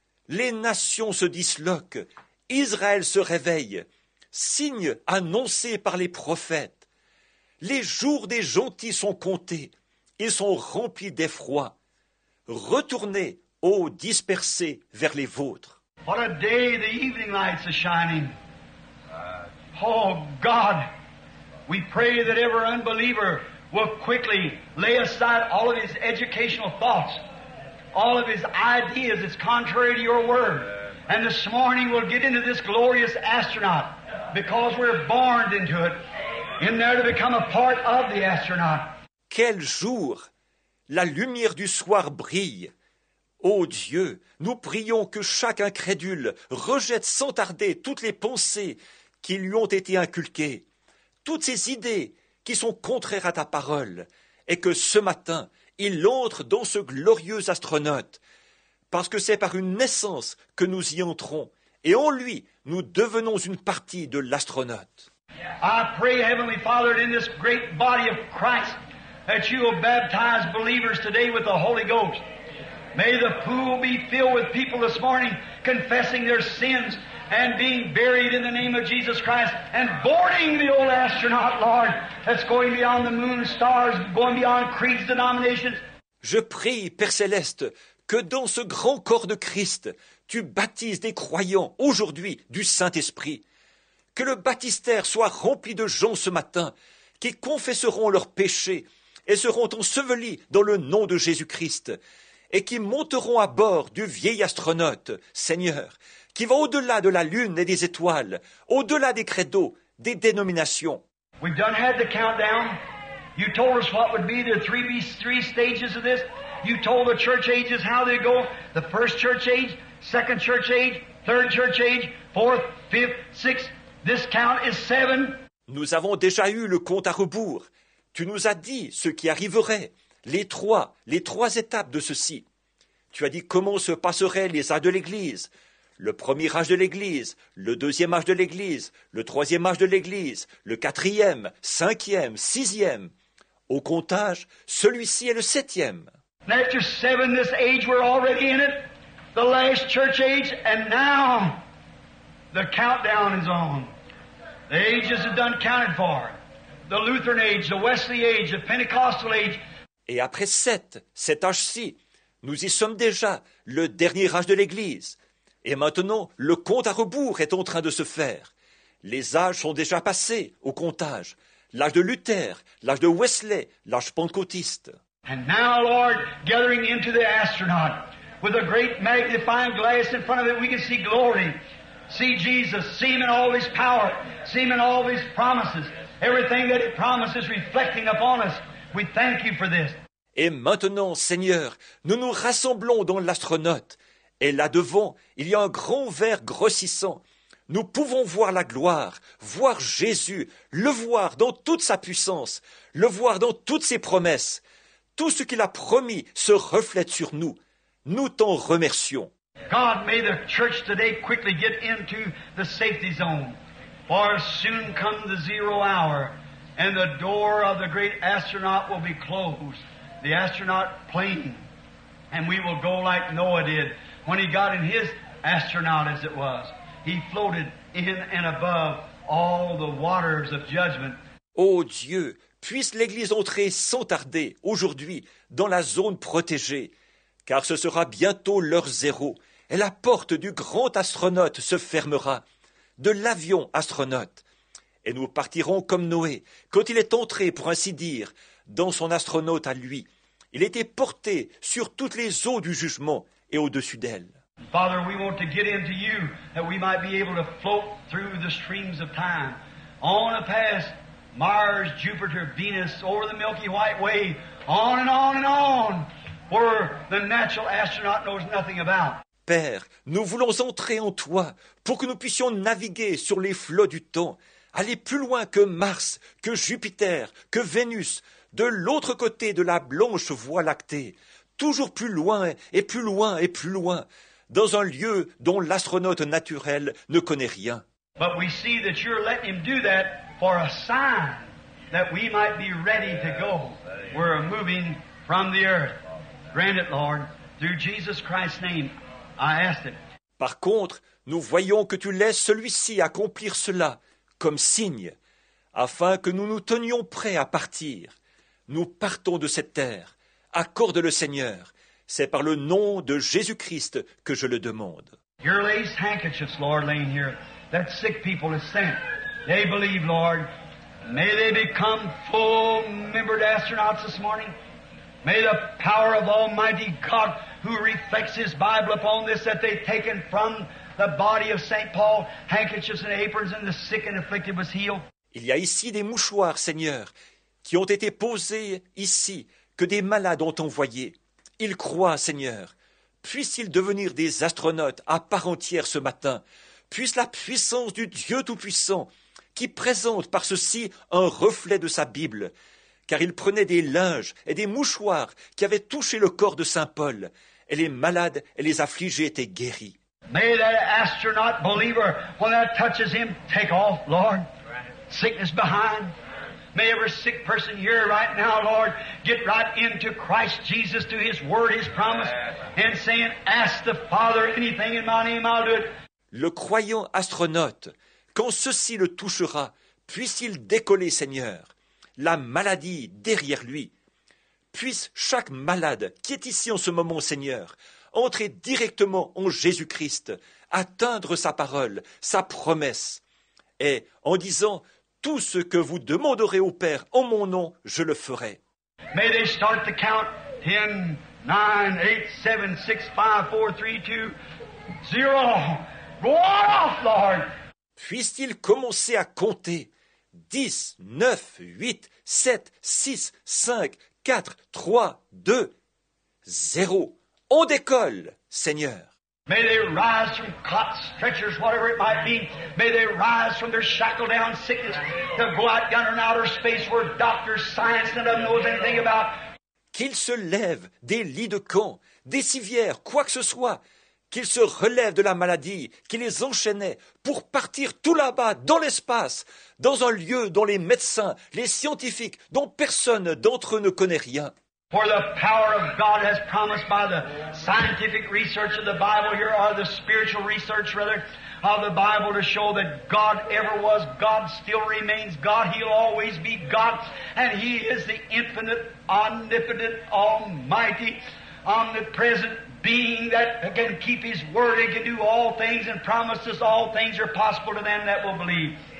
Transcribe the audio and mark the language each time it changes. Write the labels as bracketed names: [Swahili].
[French] Les nations se disloquent, Israël se réveille, signe annoncé par les prophètes. Les jours des gentils sont comptés, ils sont remplis d'effroi. Retournez, ô dispersés, vers les vôtres. [English] What a day the evening lights are shining. Oh God, we pray that every unbeliever will quickly lay aside all of his educational thoughts. All of his ideas is contrary to your word. And this morning we'll get into this glorious astronaut because we're born into it, in there to become a part of the astronaut. [French] Quel jour! La lumière du soir brille. Ô Dieu, nous prions que chaque incrédule rejette sans tarder toutes les pensées qui lui ont été inculquées. toutes ces idées qui sont contraires à ta parole, et que ce matin, il entre dans ce glorieux astronaute, parce que c'est par une naissance que nous y entrons, et en lui, nous devenons une partie de l'astronaute. [English] I pray, Heavenly Father, in this great body of Christ, that you will baptize believers today with the Holy Ghost. May the pool be filled with people this morning confessing their sins and being buried in the name of Jesus Christ and boarding the old astronaut, Lord, that's going beyond the moon, stars, going beyond creeds, denominations. [French] Je prie, Père Céleste, que dans ce grand corps de Christ, tu baptises des croyants aujourd'hui du Saint-Esprit. Que le baptistère soit rempli de gens ce matin qui confesseront leurs péchés et seront ensevelis dans le nom de Jésus-Christ, et qui monteront à bord du vieil astronaute, Seigneur, qui va au-delà de la lune et des étoiles, au-delà des credos, des dénominations. [English] We've done had the countdown. You told us what would be the three stages of this. You told the church ages how they go. The first church age, second church age, third church age, fourth, fifth, sixth. This count is seven. [French] Nous avons déjà eu le compte à rebours. Tu nous as dit ce qui arriverait. Les trois étapes de ceci. Tu as dit comment se passeraient les âges de l'Église. Le premier âge de l'Église, le deuxième âge de l'Église, le troisième âge de l'Église, le quatrième, cinquième, sixième. Au comptage, celui-ci est le septième. [English] After seven, this age, we're already in it. The last church age, and now the countdown is on. The ages are done counted for. The Lutheran age, the Wesley age, the Pentecostal age. [French] Et après cet âge-ci, nous y sommes déjà, le dernier âge de l'Église. Et maintenant, le compte à rebours est en train de se faire. Les âges sont déjà passés au comptage. L'âge de Luther, l'âge de Wesley, l'âge pentecôtiste. [English] And now, Lord, gathering into the astronaut, with a great magnifying glass in front of it, we can see glory. See Jesus, see Him in all His power, see Him in all His promises. Everything that He promises reflecting upon us. We thank you for this. [French] Et maintenant, Seigneur, nous nous rassemblons dans l'astronaute. Et là devant, il y a un grand verre grossissant. Nous pouvons voir la gloire, voir Jésus, le voir dans toute sa puissance, le voir dans toutes ses promesses. Tout ce qu'il a promis se reflète sur nous. Nous t'en remercions. [English] God, may the church today quickly get into the safety zone. For soon come the zero hour. And the door of the great astronaut will be closed, the astronaut plane, and we will go like Noah did when he got in his astronaut, as it was. He floated in and above all the waters of judgment. [French] Ô Dieu, puisse l'Église entrer sans tarder, aujourd'hui, dans la zone protégée, car ce sera bientôt l'heure zéro, et la porte du grand astronaute se fermera, de l'avion astronaute. Et nous partirons comme Noé, quand il est entré, pour ainsi dire, dans son astronaute à lui. Il était porté sur toutes les eaux du jugement et au-dessus d'elle. [English] Father, we want to get into you, that we might be able to float through the streams of time. On a past Mars, Jupiter, Venus, over the Milky White Way, on and on and on, where the natural astronaut knows nothing about. [French] Père, nous voulons entrer en toi, pour que nous puissions naviguer sur les flots du temps, aller plus loin que Mars, que Jupiter, que Vénus, de l'autre côté de la blanche voie lactée, toujours plus loin et plus loin et plus loin, dans un lieu dont l'astronaute naturel ne connaît rien. [English] But we see that you're letting him do that for a sign that we might be ready to go. We're moving from the earth. Grant it, Lord, through Jesus Christ's name, I ask it. [French] Par contre, nous voyons que tu laisses celui-ci accomplir cela, comme signe, afin que nous nous tenions prêts à partir. Nous partons de cette terre. Accorde le Seigneur. C'est par le nom de Jésus-Christ que je le demande. [English] Your lace handkerchiefs, Lord, laying here, that sick people have sent. They believe, Lord. May they become full-membered astronauts this morning. May the power of Almighty God, who reflects His Bible upon this, that they've taken from the body of Saint Paul, handkerchiefs and aprons, and the sick and afflicted was healed. [French] Il y a ici des mouchoirs, Seigneur, qui ont été posés ici, que des malades ont envoyés. Ils croient, Seigneur. Puissent-ils devenir des astronautes à part entière ce matin. Puisse la puissance du Dieu Tout-Puissant, qui présente par ceci un reflet de sa Bible, car il prenait des linges et des mouchoirs qui avaient touché le corps de saint Paul, et les malades et les affligés étaient guéris. [English] May that astronaut believer, when that touches him, take off, Lord. Sickness behind. May every sick person here right now, Lord, get right into Christ Jesus, to His Word, His promise, and saying, ask the Father anything in my name, I'll do it. [French] Le croyant astronaute, quand ceci le touchera, puisse-t-il décoller, Seigneur, la maladie derrière lui. Puisse chaque malade qui est ici en ce moment, Seigneur, entrer directement en Jésus-Christ, atteindre sa parole, sa promesse, et en disant, tout ce que vous demanderez au Père en mon nom, je le ferai. [English] May they start the count. 10, 9, 8, 7, 6, 5, 4, 3, 2, 0. Go off, Lord! [French] Puisse-t-il commencer à compter? 10, 9, 8, 7, 6, 5, 4, 3, 2, 0. On décolle, Seigneur. [English] May they rise from cots, stretchers, whatever it might be. May they rise from their shackled down sickness to go out down in outer space where doctors, science, none of them knows anything about. [French] Qu'ils se lèvent des lits de camp, des civières, quoi que ce soit. Qu'ils se relèvent de la maladie qui les enchaînait pour partir tout là-bas, dans l'espace, dans un lieu dont les médecins, les scientifiques, dont personne d'entre eux ne connaît rien. [English] For the power of God has promised by the scientific research of the Bible here, or the spiritual research, rather, of the Bible to show that God ever was, God still remains, God, He'll always be God, and He is the infinite, omnipotent, almighty, omnipresent being that can keep His word and can do all things and promise us all things are possible to them that will believe.